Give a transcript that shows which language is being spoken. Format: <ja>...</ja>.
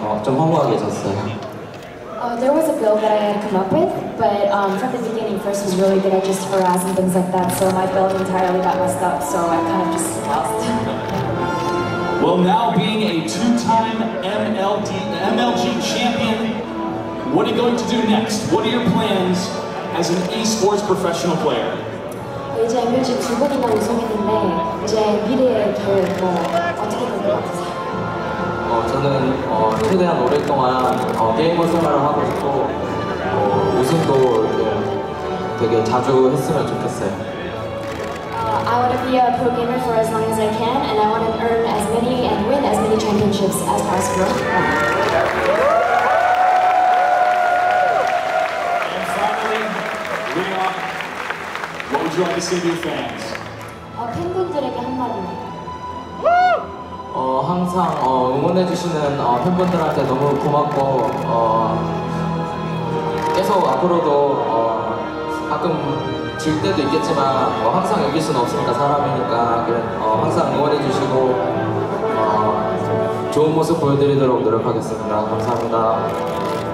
<en>There was a build that I had come up with, but from the beginning, first was really good at just harass and things like that, so my build entirely got messed up, so I kind of just lost. Well, now being a two-time MLG champion, what are you going to do next? What are your plans as an esports professional player?</en> <ko>이제 MLG 두 번이나 우승했는데 이제 미래의 계획 뭐 어떻게 될 것 같아요? 저는 최대한 오랫동안 게이머 생활을 하고 싶고 우승도 되게 자주 했으면 좋겠어요.</ko> <en>I want to be a pro gamer for as long as I can, and I want to earn as many and win as many championships as possible. And finally, Leenock, what would you like to say to your fans?</en> <ko>팬분들에게 한마디. 항상 응원해 주시는 팬분들한테 너무 고맙고 계속 앞으로도 가끔 질 때도 있겠지만 항상 이길 수는 없으니까 사람이니까 항상 응원해 주시고 좋은 모습 보여드리도록 노력하겠습니다. 감사합니다.</ko>